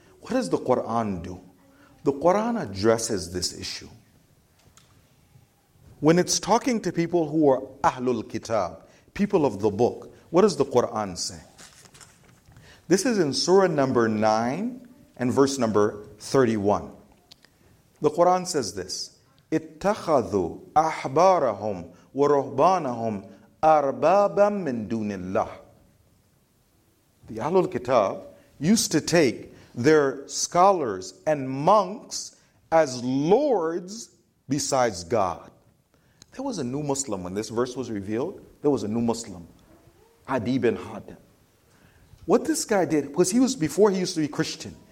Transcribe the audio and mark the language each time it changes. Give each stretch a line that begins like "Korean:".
English: What does the Quran do? The Quran addresses this issue. When it's talking to people who are Ahlul Kitab, people of the book, what does the Quran say? This is in Surah number 9 and verse number 31. The Quran says this,
Arabic: اتخذوا أحبارهم ورهبانهم أربابا من دون الله.
English: The Ahlul Kitab used to take their scholars and monks as lords besides God. There was a new Muslim when this verse was revealed. There was a new Muslim, Adi bin Hatim. What this guy did, because before he used to be Christian.